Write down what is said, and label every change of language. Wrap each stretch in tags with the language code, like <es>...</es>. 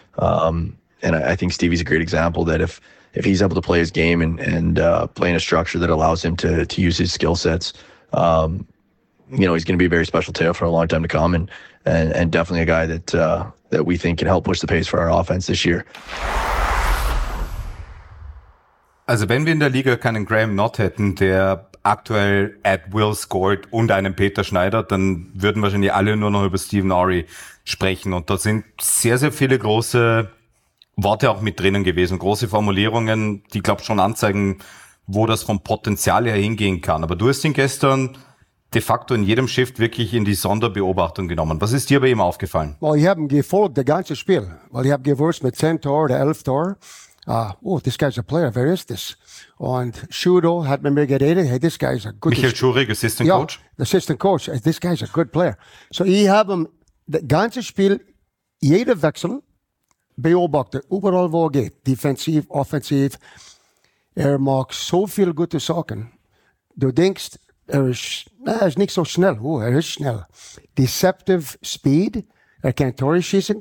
<en>I think Stevie's a great example that if he's able to play his game and play in a structure that allows him to use his skill sets, he's going to be a very special tail for a long time to come and definitely a guy that we think can help push the pace for our offense this year.</en> <de>Also wenn wir in der Liga keinen Graham Nott hätten, der aktuell Ed Wills Gold und einem Peter Schneider, dann würden wahrscheinlich alle nur noch über Stephen Ari sprechen. Und da sind sehr, sehr viele große Worte auch mit drinnen gewesen, große Formulierungen, die, glaube ich, schon anzeigen, wo das vom Potenzial her hingehen kann. Aber du hast ihn gestern de facto in jedem Shift wirklich in die Sonderbeobachtung genommen. Was ist dir bei ihm aufgefallen? Well, ich habe ihn gefolgt, das ganze Spiel. Weil ich habe gewusst, mit 10 Tor oder 11 Tor,</de> <en>this guy's a player, where is this?</en> <de>Und Schudo hat mit mir geredet,</de> <en>hey, this guy's a good</en> <de>Michael Schurig, Assistant Coach. Ja,</de> <en>Assistant Coach, this guy's a good player.</en> <de>So ich habe ihn das ganze Spiel, jeder Wechsel, beobachtet, überall wo er geht, defensiv, offensiv. Er mag so viel gute Sachen. Du denkst, er ist nicht so schnell. Oh, er ist schnell.</de> <en>Deceptive speed.</en> <de>Er kann Tore schießen.</de>